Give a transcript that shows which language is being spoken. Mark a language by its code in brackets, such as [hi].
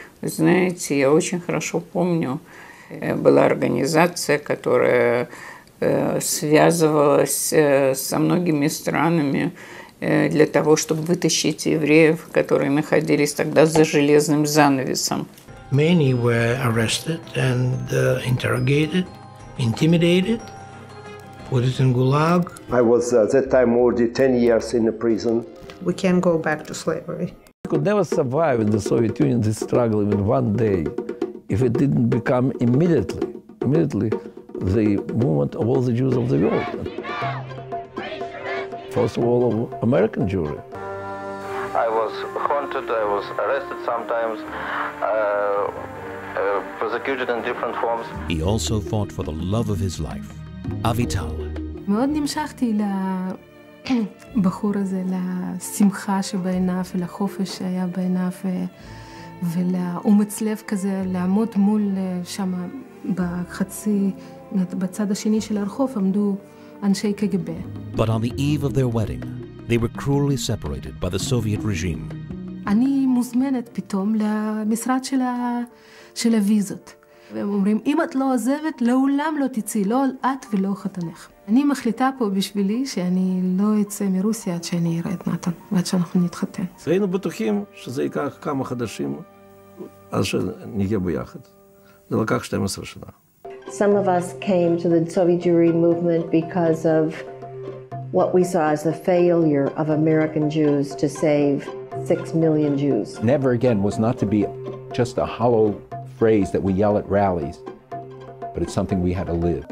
[ru] Вы знаете, я очень хорошо помню, была организация, которая связывалась со многими странами для того, чтобы вытащить евреев, которые находились тогда за железным занавесом. [en] Many were arrested and interrogated, intimidated, put it in gulag. I was at that time already 10 years in the prison. We can't go back to slavery. We could never survive in the Soviet Union this struggle even one day if it didn't become immediately the movement of all the Jews of the world. First of all, of American Jewry. I was haunted, I was arrested sometimes, persecuted in different forms. He also fought for the love of his life, Avital. [he] בחור הזה לשמחה שבעיניו ולחופש שהיה בעיניו ולאומץ לב כזה לעמוד מול שם בחצי בצד השני של הרחוב עמדו אנשי KGB. [en] But on the eve of their wedding, they were cruelly separated by the Soviet regime. [he] אני מוזמנת פתאום למשרד של הוויזות. והם אומרים, אם את לא עוזבת, לעולם לא תצאי, לא את ולא חתנך. אני מחליטה פה בשבילי שאני לא אצא מרוסיה עד שאני אראה את נתן, ועד שאנחנו נתחתן. היינו בטוחים שזה ייקח כמה חודשים עד שנהיה ביחד. זה לקח 12 שנה. [en] Some of us came to the Soviet Jewry movement because of what we saw as the failure of American Jews to save 6 million Jews. Never again was not to be just a hollow phrase that we yell at rallies, but it's something we had to live.